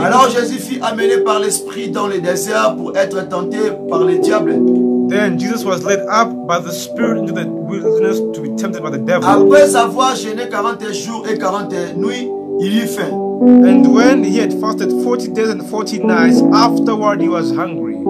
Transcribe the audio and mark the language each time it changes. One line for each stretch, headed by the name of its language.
French: Alors Jésus fut amené par l'esprit dans le désert pour être tenté par le diable.
English: Then Jesus was led up by the Spirit into the wilderness to be tempted by the devil.
French: Après avoir jeûné 40 jours et 40 nuits, il eut faim.
English: And when he had fasted 40 days and 40 nights, afterward he was hungry.